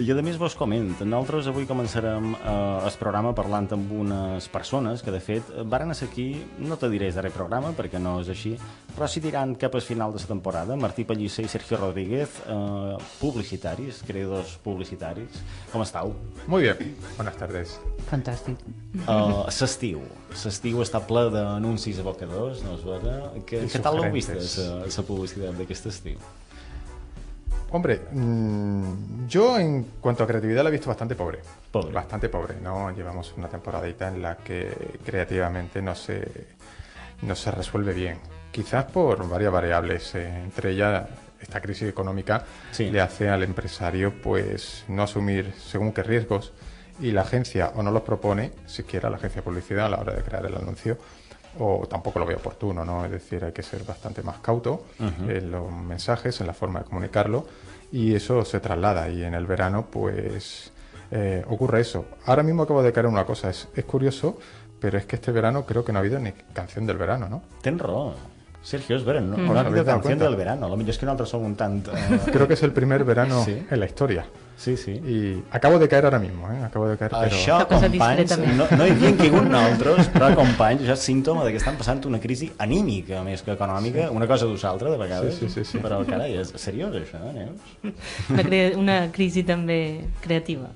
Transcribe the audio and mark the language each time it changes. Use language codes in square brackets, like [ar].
[ca] I a més vos comento, nosaltres avui començarem el programa parlant amb unes persones que, de fet, varen ser aquí, no te diré el darrer programa, perquè no és així, però si diran cap al final de la temporada, Martí Pellicer i Sergio Rodríguez, publicitaris, creadors publicitaris. Com estàu? Molt bé, bones tardes. Fantàstic. S'estiu està ple d'anuncis abocadors, no és vera? Què tal l'heu vist, la publicitat d'aquest estiu? [es] Hombre, yo en cuanto a creatividad la he visto bastante pobre. Pobre. Bastante pobre, ¿no? Llevamos una temporadita en la que creativamente no se resuelve bien. Quizás por varias variables, entre ellas esta crisis económica sí. Le hace al empresario pues no asumir según qué riesgos. Y la agencia o no los propone, siquiera la agencia de publicidad a la hora de crear el anuncio, o tampoco lo ve oportuno, ¿no? Es decir, hay que ser bastante más cauto en los mensajes, en la forma de comunicarlo, y eso se traslada. Y en el verano, pues, ocurre eso. Ahora mismo acabo de caer en una cosa, es curioso, pero es que este verano creo que no ha habido ni canción del verano, ¿no? [ca] Ten razón. Sergio, es ver, ¿no? [es] No ha habido canción del verano, lo mismo es que nosotros somos un tanto... Creo que es el primer verano en la historia. Sí, sí. [ca] I [es] acabo de caer [ca] ara mateix, acabo de caer. Això, companys, no hi havia ningú d'altres, però, companys, això és símptoma que estan passant una crisi anímica, més que econòmica, una cosa d'una altra, de vegades. Sí, sí, sí. Però, carai, és seriós, això, Neus? Una crisi també creativa.